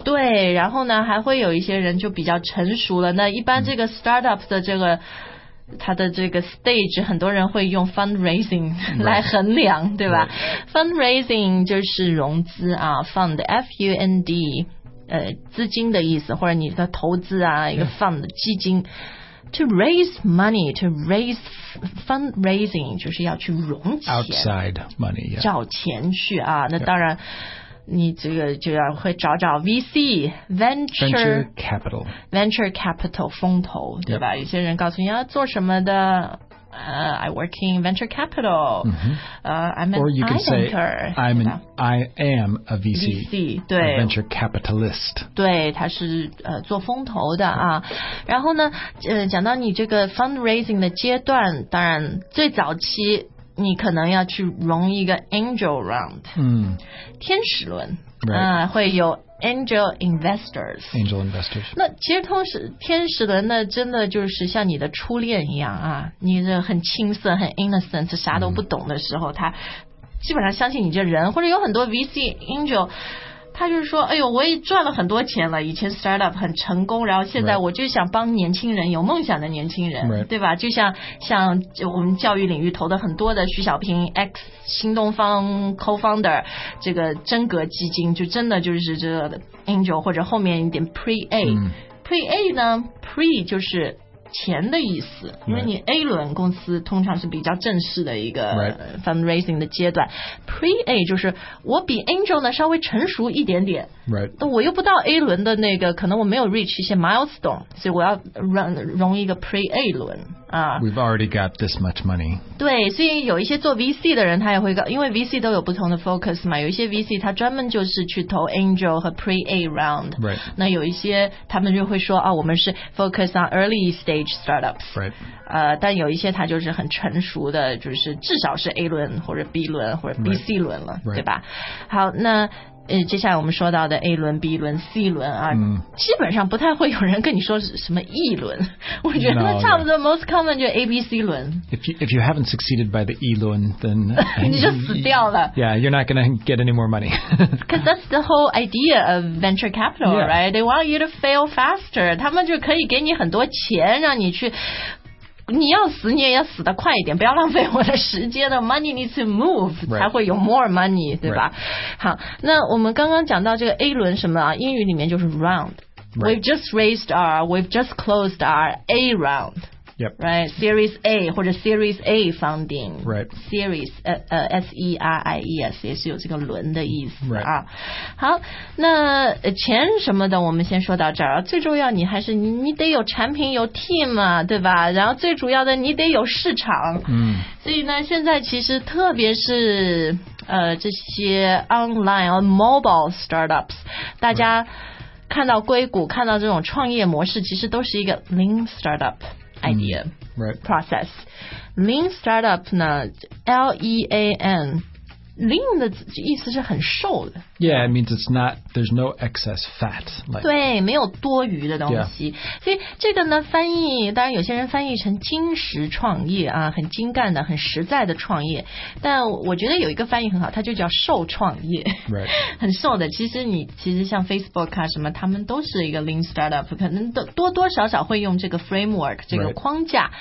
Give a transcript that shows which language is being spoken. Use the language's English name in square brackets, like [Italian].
[Chinese] 对然后呢还会有一些人就比较成熟了那一般这个 startup 的这个、它的这个 stage 很多人会用 fundraising 来衡量、 [English] right. [Chinese] 对吧、 [English] right. [Chinese] fundraising 就是融资啊 fund F-U-N-D资金的意思或者你的投资啊一个 fund、 [English] yeah. [Chinese] 基金 [English] to raise money to raise [Chinese] fundraising 就是要去融钱 [English] outside money、yeah. [Chinese] 找钱去啊那当然、 [English] yeah. [Chinese] 你这个就要会找 VC [English] Venture Capital [Chinese] 风投对吧、 [English] yep. [Chinese] 有些人告诉你要做什么的 [English] I work in venture capital、 mm-hmm. I'm an Or you can say I'm an, I am a VC [Chinese] VC 对 [English] A venture capitalist [Chinese] 对他是、做风投的啊、 [English] right. [Chinese] 然后呢、讲到你这个 fundraising 的阶段当然最早期你可能要去融一个 angel round、 mm. 天使轮、 [English] right. 会有 angel investors angel investors [Chinese] 那其实同时天使轮呢真的就是像你的初恋一样啊你这很青涩很 innocent 啥都不懂的时候、嗯、他基本上相信你这人或者有很多 VC angel 他就是说哎呦我也赚了很多钱了以前 startup 很成功然后现在我就想帮年轻人有梦想的年轻人、 [English] right. [Chinese] 对吧就像我们教育领域投的很多的徐小平 X新东方 co-founder 这个真格基金就真的就是这个 angel 或者后面一点 pre-A、嗯、 pre-A 呢 pre 就是钱的意思因为你 A 轮公司通常是比较正式的一个 fundraising 的阶段、 [English] right. [Chinese] pre-A 就是我比 angel 呢稍微成熟一点点、 [English] right. [Chinese] 我又不到 A 轮的那个可能我没有 reach 一些 milestone 所以我要融一个 pre-A 轮 [English] We've already got this much money. [Chinese] 对，所以有一些做 VC 的人，他也会因为 VC 都有不同的 focus 嘛。有一些 VC 他专门就是去投 angel 和 pre-A round. [English] Right. [Chinese] 那有一些他们就会说啊，我们是 [English] focus on early stage startups. Right. [Chinese] 但有一些他就是很成熟的，就是至少是 A 轮或者 B 轮或者 BC 轮了， [English] right. [Chinese] 对吧？好，那。接下来我们说到的 A 轮 B 轮 C 轮啊、嗯、基本上不太会有人跟你说什么 E 轮我觉得那差不多 [English] most common [Chinese] 就 ABC 轮 [English] if you haven't succeeded by the E 轮 then [Chinese] 你就死掉了 [English] yeah you're not gonna get any more money because that's the whole idea of venture capital、 yeah. right they want you to fail faster [Chinese] 他们就可以给你很多钱让你去你要死你也要死得快一点不要浪费我的时间的 [English] money needs to move、 right. [Chinese] 才会有 [English] more money [Chinese] 对吧、 [English] right. [Chinese] 好那我们刚刚讲到这个 A 轮什么啊英语里面就是 round、 [English] right. we've just raised we've just closed our A round、 yep. right series A 或者 series A funding right [Chinese] series S-E-R-I-E-S 也是有这个轮的意思、 [English] right. [Chinese] 啊好那钱什么的我们先说到这儿最重要你还是你得有产品有 team 啊对吧然后最主要的你得有市场嗯所以呢现在其实特别是这些 [English] online or mobile startups [Chinese] 大家看到硅谷看到这种创业模式其实都是一个 lean startupidea、 [English] right. process lean startup 呢 L-E-A-N [Chinese] lean 的意思是很瘦的。 [English] Yeah, it means it's not, there's no excess fat.、Like. [Chinese] 对，没有多余的东西。 [English] Yeah. [Chinese] 所以这个呢，翻译，当然有些人翻译成精实创业啊，很精干的，很实在的创业。但我觉得有一个翻译很好，它就叫瘦创业。 [English] Right. [Chinese] 很瘦的，其实像 Facebook 啊什么，他们都是一个 lean startup, 可能多多少少会用这个 framework, 这个框架。